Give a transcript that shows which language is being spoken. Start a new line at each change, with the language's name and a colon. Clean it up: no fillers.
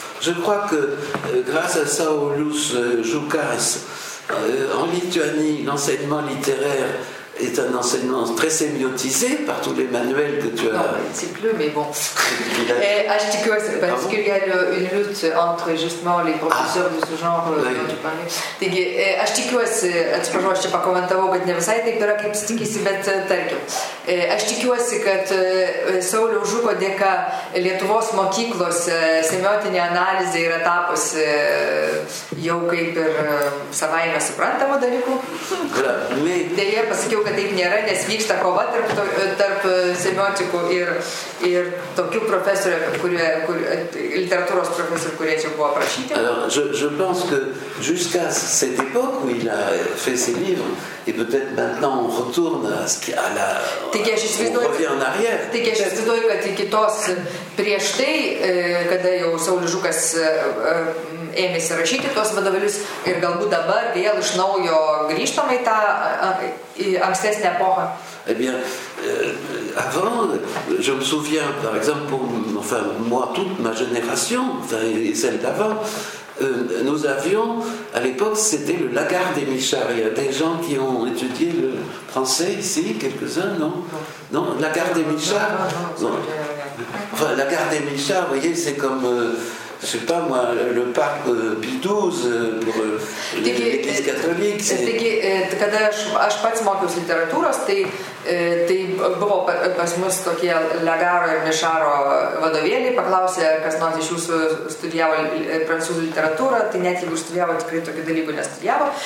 French: Je crois que grâce à Saulius Žukas en Lituanie l'enseignement littéraire est un enseignement très sémiotisé par tous les manuels que tu as. Non, c'est plus, mais bon. Et je dis que c'est parce qu'il y a une lutte entre justement les professeurs de ce genre dont tu parlais.
Lithuanian: Taigi, aš tikiuosi, atsiprašau, aš čia pakomentavau, kad ne visai taip yra, kaip tikisi, bet tarkim. Aš tikiuosi, kad Sauliaus Žuko dėka Lietuvos mokyklose semiotinė analizė yra tapusi jau kaip ir savaime suprantamo dalyku. Deja, pasakiau, kad taip nėra, nes vyksta kova tarp semiotikų ir tokių profesorių, literatūros profesorių, kurie čia buvo aprašyti.
French: Je pense que jusqu'à cette époque où il a fait ses livres, et peut-être maintenant on retourne à ce qui à la
Lithuanian: Taigi aš įsivaizduoju, kad iki tos prieš tai, kada jau Saulius Žukas ėmėsi rašyti tos vadovėlius ir galbūt dabar vėl iš naujo grįžtama į tą ankstesnę epochą.
French: Eh bien, avant, je me souviens, par exemple, pour, enfin, moi, toute ma génération, enfin, celle d'avant, nous avions, à l'époque, c'était le Lagarde et Michard. Il y a des gens qui ont étudié le français ici, quelques-uns, non? Non, Lagarde et Michard. Non. Enfin, Lagarde et Michard, vous voyez, c'est comme, je sais pas moi, le pape Pie XII pour l'Église catholique.
Lithuanian: Taigi, kada aš pats mokiausi literatūros, tai buvo pas mus tokie Lagaro ir Mišaro vadovėliai, paklausė, kas nors iš jūsų studijavo prancūzų literatūrą, tai net jeigu studijavo, tikrai tokių dalykų nestudijavo.